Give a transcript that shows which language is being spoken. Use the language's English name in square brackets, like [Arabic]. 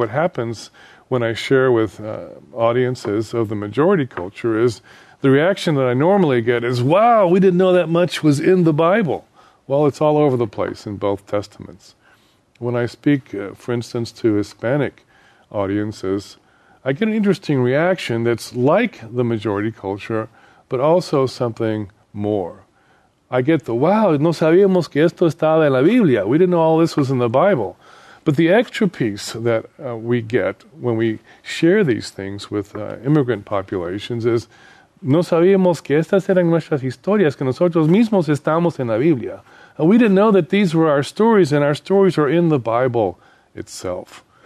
[English] What happens when I share with audiences of the majority culture is the reaction that I normally get is, wow, we didn't know that much was in the Bible. Well, it's all over the place in both Testaments. When I speak, for instance, to Hispanic audiences, I get an interesting reaction that's like the majority culture, but also something more. I get the, wow, [Spanish] no sabíamos que esto estaba en la Biblia. [English] We didn't know all this was in the Bible. But the extra piece that we get when we share these things with immigrant populations is, [Spanish] no sabíamos que estas eran nuestras historias, que nosotros mismos estamos en la Biblia. [English] We didn't know that these were our stories, and our stories are in the Bible itself.